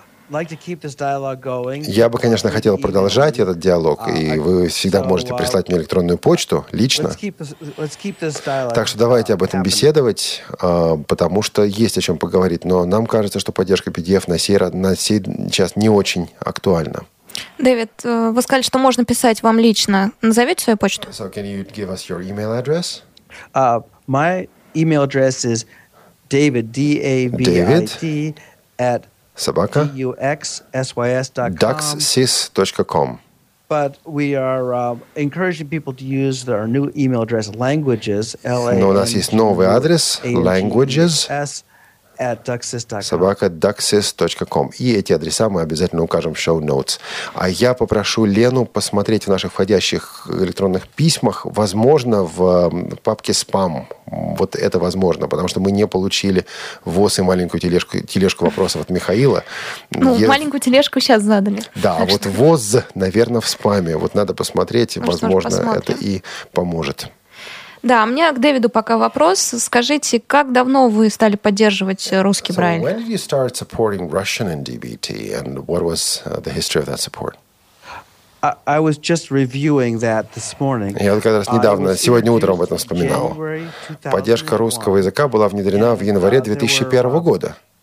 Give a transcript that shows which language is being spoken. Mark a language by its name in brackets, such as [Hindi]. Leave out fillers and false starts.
[Russian] Я бы, конечно, хотел продолжать этот диалог, и вы всегда можете прислать мне электронную почту лично. Так что давайте об этом беседовать, потому что есть о чем поговорить. Но нам кажется, что поддержка PDF на сей час не очень актуальна. Дэвид, вы сказали, что можно писать вам лично. Назовите свою почту. [English] So can you give us your email address? My email address is david@duxsys.com. But we are encouraging people to use our new email address, languages. [Russian] Но у нас есть новый адрес, languages. @duxsys.com. И эти адреса мы обязательно укажем в шоу-ноутс. А я попрошу Лену посмотреть в наших входящих электронных письмах, возможно, в папке «Спам». Вот это возможно, потому что мы не получили ВОЗ и маленькую тележку вопросов от Михаила. Ну, маленькую тележку сейчас задали. Да, а вот ВОЗ, наверное, в спаме. Вот надо посмотреть, возможно, это и поможет. Да, у меня к Дэвиду пока вопрос. Скажите, как давно вы стали поддерживать русский Брайль? [English] So when did you start supporting Russian in DBT, and what was the history of that support? I was just reviewing that this morning. [Russian] Я как раз недавно, сегодня утром об этом вспоминал. Поддержка русского языка была внедрена в январе 2001 года.